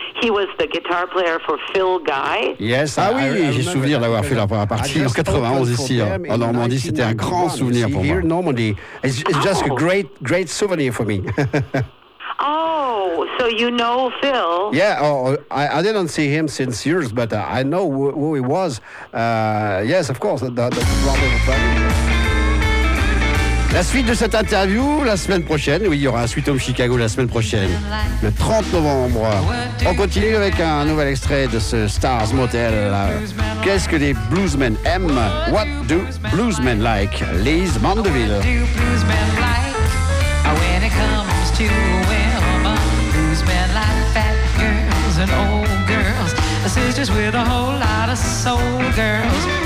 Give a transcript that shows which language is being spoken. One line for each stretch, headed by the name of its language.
English: He was the guitar player for Phil Guy. Yes,
French: ah oui, j'ai souvenir d'avoir fait la première partie en 91 ici en Normandie. C'était un grand souvenir pour moi.
English: Normandy, it's just a great souvenir for me. Oh, so you know Phil? Yeah, I didn't see him since years, but I know who he was. Yes, of course, the brother of Barry.
French: La suite de cette interview, la semaine prochaine. Oui, il y aura un Sweet Home Chicago la semaine prochaine, le 30 novembre. On continue avec un nouvel extrait de ce Stars Motel. Qu'est-ce que les bluesmen aiment?
English: What do bluesmen like?
French: Lise Mandeville.
English: What do bluesmen like when it comes to women? Bluesmen like fat girls and old girls. Sisters with a whole lot of soul girls.